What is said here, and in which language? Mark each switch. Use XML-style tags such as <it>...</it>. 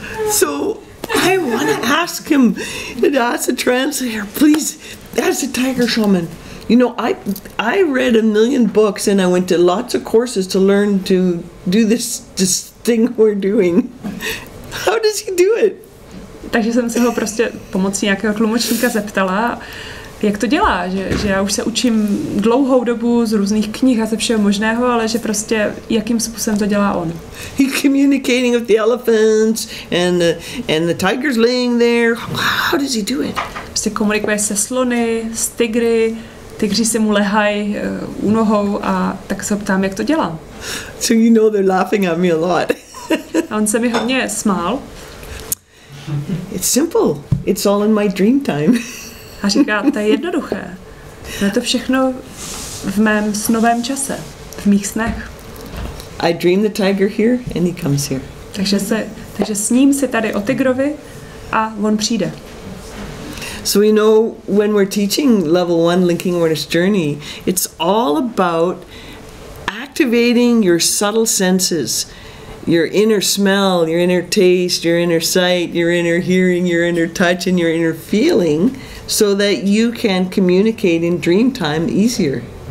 <en>So I want to ask him, and ask a translator, please, as a tiger shaman, you know, I read a million books and I went to lots of courses to learn to do this thing we're doing. How does he do it?</en> <cs>Takže jsem se ho prostě pomocí nějakého tlumočníka zeptala, jak to dělá, že já už se učím dlouhou dobu z různých knih a ze všeho možného, ale že prostě jakým způsobem to dělá on.</cs> <en>He communicating with the elephants and the tigers laying there. How does he do it?</en> <cs>Prostě komunikuje se slony, s tygry, tygři se mu lehají u nohou a tak se ho ptám, jak to dělá.</cs> <en>So you know they're laughing at me a lot.</en> <cs>A on se mi hodně smál.</cs> <en>It's simple. It's all in my dream time.</en> <cs>A říká, to je jednoduché. No je to všechno v mém snovém čase, v mých snech.</cs> <en>I dream the tiger here and he comes here.</en> <cs>Takže sním si tady o tygrovi a on přijde.</cs> <en>So you know, when we're teaching level one linking awareness journey, it's all about activating your subtle senses, your inner smell, your inner taste, your inner sight, your inner hearing, your inner touch, and your inner feeling, so that you can communicate in dream time easier.</en>